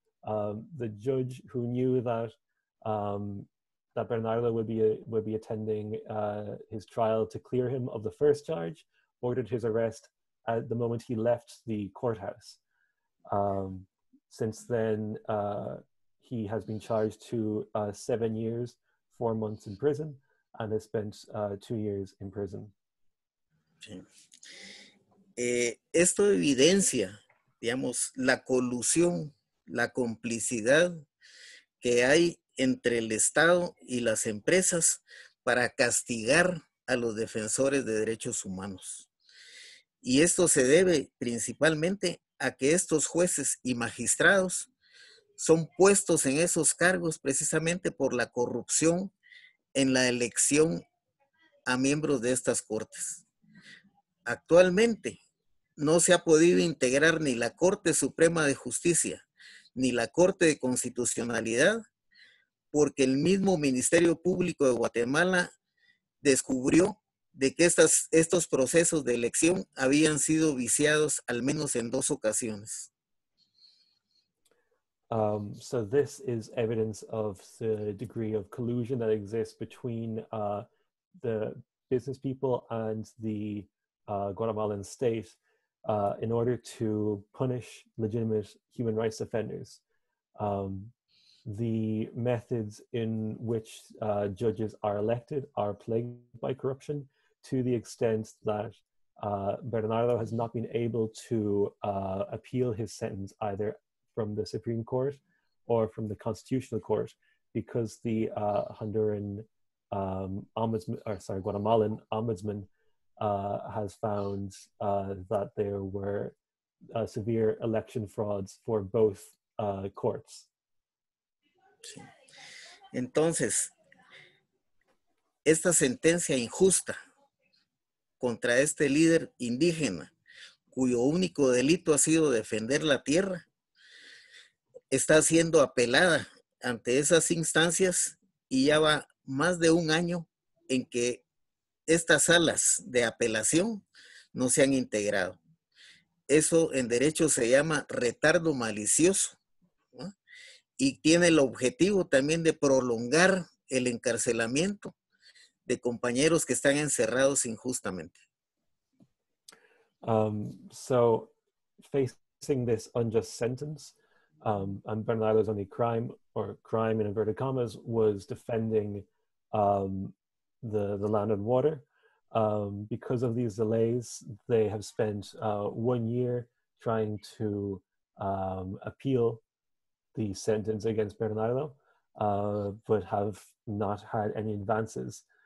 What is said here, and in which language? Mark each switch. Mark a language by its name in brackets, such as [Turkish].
[English] The judge who knew that that Bernardo would be attending his trial to clear him of the first charge, ordered his arrest at the moment he left the courthouse. Since then, he has been charged to 7 years, 4 months in prison, and has spent 2 years in prison. [Spanish] Sí. Esto evidencia, digamos, la colusión, la complicidad que hay entre el Estado y las empresas para castigar a los defensores de derechos humanos. Y esto se debe principalmente a que estos jueces y magistrados son puestos en esos cargos precisamente por la corrupción en la elección a miembros de estas cortes. Actualmente no se ha podido integrar ni la Corte Suprema de Justicia ni la Corte de Constitucionalidad porque el mismo Ministerio Público de Guatemala descubrió de que estos procesos de elección habían sido viciados al menos en dos ocasiones. [English] So this is evidence of the degree of collusion that exists between the business people and the Guatemalan state in order to punish legitimate human rights defenders. The methods in which judges are elected are plagued by corruption to the extent that Bernardo has not been able to appeal his sentence either from the Supreme Court or from the Constitutional Court because the Honduran Guatemalan ombudsman has found that there were severe election frauds for both courts. [Spanish] Entonces, esta sentencia injusta contra este líder indígena, cuyo único delito ha sido defender la tierra, está siendo apelada ante esas instancias y ya va más de un año en que estas salas de apelación no se han integrado. Eso en derecho se llama retardo malicioso, ¿no? Y tiene el objetivo también de prolongar el encarcelamiento de compañeros que están encerrados injustamente. [English] So, facing this unjust sentence, and Bernardo's only crime, or crime in inverted commas, was defending the land and water. Because of these delays, they have spent 1 year trying to appeal the sentence against Bernardo, but have not had any advances.